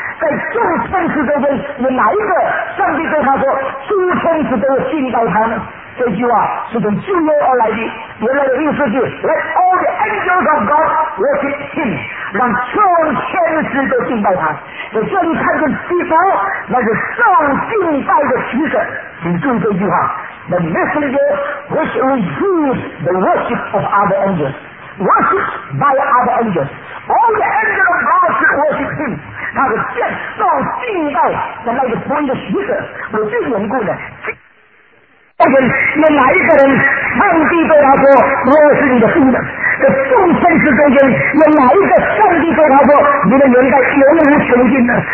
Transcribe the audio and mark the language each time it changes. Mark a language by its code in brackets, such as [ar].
[zh] 在众天使中间有哪一个上帝对他说，诸天使都要信到他呢？这句话是从旧约而来的，原来的意思是 [en] Let all the angels of God worship him， [zh] 让全天使都敬拜他。在这里看见基督，那是受敬拜的使者。请注意这句话 [en] The messenger which receives the worship of other angels， worship by other angels， all the angels of God should worship him。 [zh] 他是见受敬拜的那个福音的使者。为这缘故呢，而且有哪一个人上帝对他说，我是你的父呢？在众天使中间有哪一个上帝对他说，你的年代永无穷尽呢？